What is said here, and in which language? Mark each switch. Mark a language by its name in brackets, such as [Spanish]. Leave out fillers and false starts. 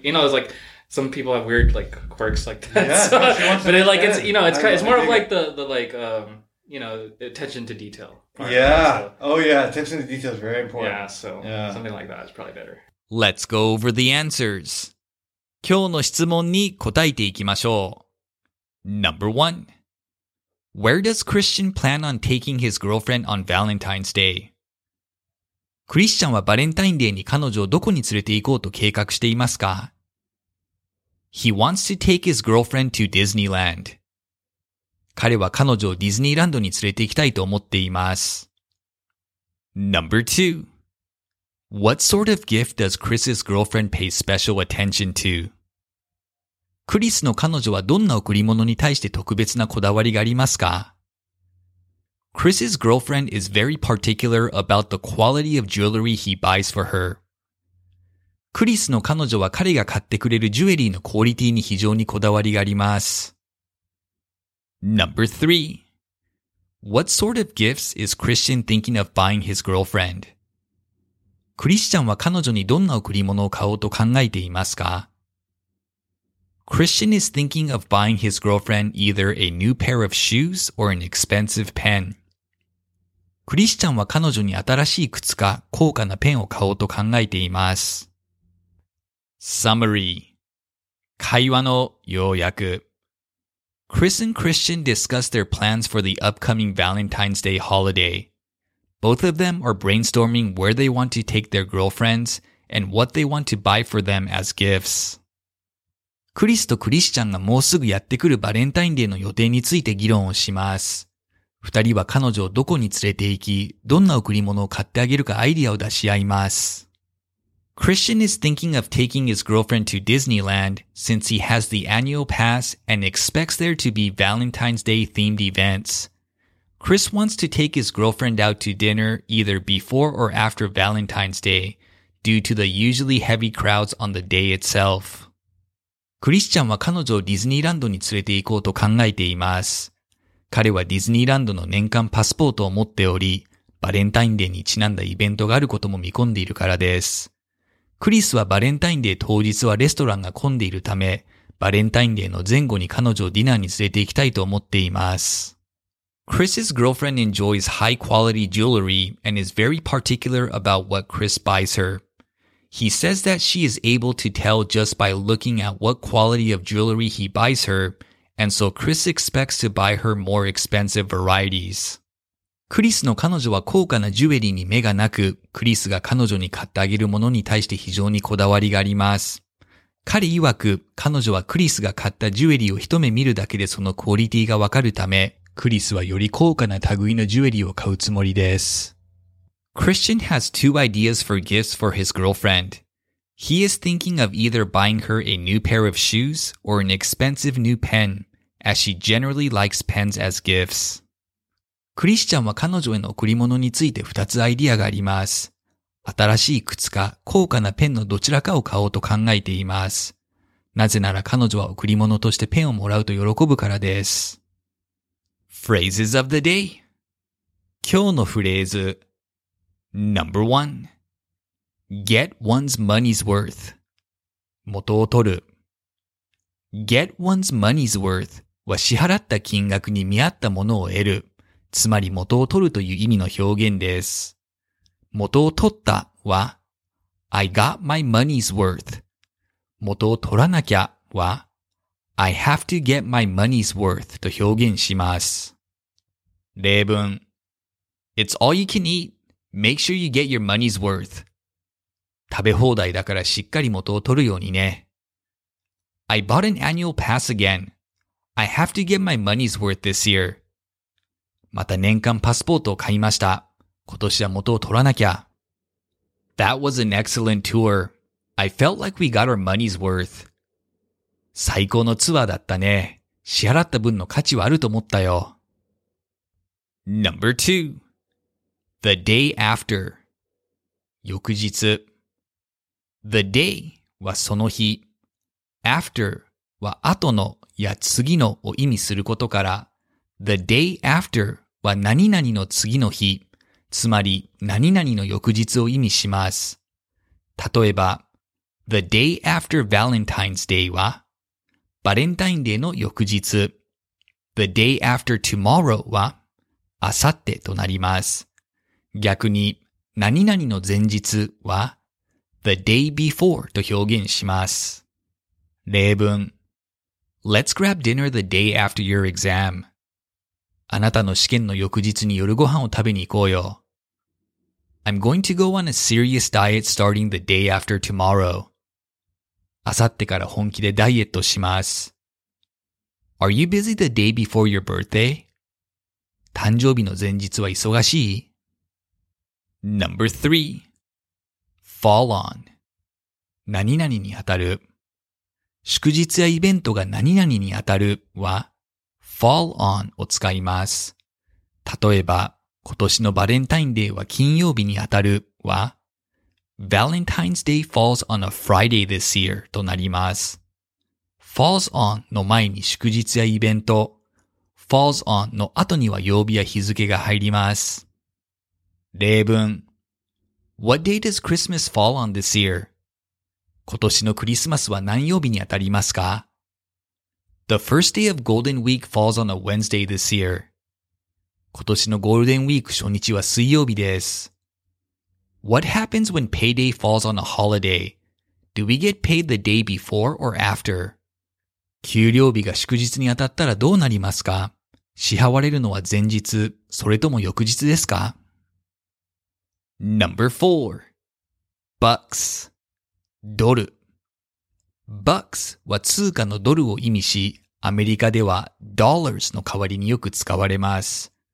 [English] you know, it's like some people have weird, like, quirks like that. Yeah, so, she wants but it like, pen. It's, you know, it's kind, it's more of like the like, you know, attention to detail. Attention to detail is very important. Yeah. So something like that is probably better. Let's go over the answers. [Japanese] 今日の質問に答えていきましょう。 [English] Number one. Where does Christian plan on taking his girlfriend on Valentine's Day? [Japanese] クリスチャンはバレンタインデーに彼女をどこに連れて行こうと計画していますか? [English] He wants to take his girlfriend to Disneyland. [Japanese] 彼は彼女をディズニーランドに連れて行きたいと思っています。 [English] Number two. What sort of gift does Chris's girlfriend pay special attention to? [Japanese] クリスの彼女はどんな贈り物に対して特別なこだわりがありますか? [English] Chris's girlfriend is very particular about the quality of jewelry he buys for her. [Japanese] クリスの彼女は彼が買ってくれるジュエリーのクオリティに非常にこだわりがあります。 [English] Number three. What sort of gifts is Christian thinking of buying his girlfriend? [Japanese] クリスチャンは彼女にどんな贈り物を買おうと考えていますか? [English] Christian is thinking of buying his girlfriend either a new pair of shoes or an expensive pen. [Japanese] クリスチャンは彼女に新しい靴か高価なペンを買おうと考えています。 [English] Summary [Japanese] 会話の要約 [English] Chris and Christian discuss their plans for the upcoming Valentine's Day holiday. Both of them are brainstorming where they want to take their girlfriends and what they want to buy for them as gifts. [Japanese] クリスとクリスチャンがもうすぐやってくるバレンタインデーの予定について議論をします。二人は彼女をどこに連れて行き、どんな贈り物を買ってあげるかアイディアを出し合います。 [English] Christian is thinking of taking his girlfriend to Disneyland since he has the annual pass and expects there to be Valentine's Day themed events. Chris wants to take his girlfriend out to dinner either before or after Valentine's Day due to the usually heavy crowds on the day itself. [Japanese] クリスチャンは彼女をディズニーランドに連れて行こうと考えています。彼はディズニーランドの年間パスポートを持っており、バレンタインデーにちなんだイベントがあることも見込んでいるからです。クリスはバレンタインデー当日はレストランが混んでいるため、バレンタインデーの前後に彼女をディナーに連れて行きたいと思っています。 [English] Chris's girlfriend enjoys high quality jewelry and is very particular about what Chris buys her. He says that she is able to tell just by looking at what quality of jewelry he buys her, and so Chris expects to buy her more expensive varieties. [Japanese] クリスの彼女は高価なジュエリーに目がなく、クリスが彼女に買ってあげるものに対して非常にこだわりがあります。彼曰く、彼女はクリスが買ったジュエリーを一目見るだけでそのクオリティがわかるため、クリスはより高価な類のジュエリーを買うつもりです。 [English] Christian has two ideas for gifts for his girlfriend. He is thinking of either buying her a new pair of shoes or an expensive new pen, as she generally likes pens as gifts. [Japanese] クリスチャンは彼女への贈り物について2つアイディアがあります。新しい靴か高価なペンのどちらかを買おうと考えています。なぜなら彼女は贈り物としてペンをもらうと喜ぶからです。 [English] Phrases of the day. [Japanese] 今日のフレーズ。 [English] Number one, get one's money's worth. [Japanese] 元を取る。 [English] Get one's money's worth [Japanese] は支払った金額に見合ったものを得る。つまり元を取るという意味の表現です。元を取ったは、 [English] I got my money's worth. [Japanese] 元を取らなきゃは、 [English] I have to get my money's worth [Japanese] と表現します。例文。 [English] It's all you can eat. Make sure you get your money's worth. [Japanese] 食べ放題だからしっかり元を取るようにね。 [English] I bought an annual pass again. I have to get my money's worth this year. [Japanese] また年間パスポートを買いました。今年は元を取らなきゃ。 [English] That was an excellent tour. I felt like we got our money's worth. [Japanese] 最高のツアーだったね。支払った分の価値はあると思ったよ。 [English] Number two. The day after. [Japanese] 翌日。 [English] The day [Japanese] はその日。 [English] After [Japanese] は後のや次のを意味することから、 [English] The day after [Japanese] は何々の次の日、つまり何々の翌日を意味します。例えば、 [English] The day after Valentine's Day [Japanese] はバレンタインデーの翌日。 [English] The day after tomorrow [Japanese] は明後日となります。逆に、〜〜の前日は、 [English] the day before [Japanese] と表現します。例文。 [English] Let's grab dinner the day after your exam. [Japanese] あなたの試験の翌日に夜ご飯を食べに行こうよ。 [English] I'm going to go on a serious diet starting the day after tomorrow. [Japanese] あさってから本気でダイエットします。 [English] Are you busy the day before your birthday? [Japanese] 誕生日の前日は忙しい? [English] Number three, fall on. [Japanese] 何々に当たる。祝日やイベントが何々に当たるは、 [English] fall on [Japanese] を使います。例えば、今年のバレンタインデーは金曜日に当たるは、 [English] Valentine's Day falls on a Friday this year [Japanese] となります。 [English] falls on [Japanese] の前に祝日やイベント、falls on の後には曜日や日付が入ります。例文。 [English] What day does Christmas fall on this year? [Japanese] 今年のクリスマスは何曜日に当たりますか? [English] The first day of Golden Week falls on a Wednesday this year. [Japanese] 今年のゴールデンウィーク初日は水曜日です。 [English] What happens when payday falls on a holiday? Do we get paid the day before or after? [Japanese] 給料日が祝日に当たったらどうなりますか?支払われるのは前日、それとも翌日ですか? [English] Number four, bucks, [Japanese] ドル。 bucks は通貨のドルを意味し、アメリカでは dollars の代わりによく使われます。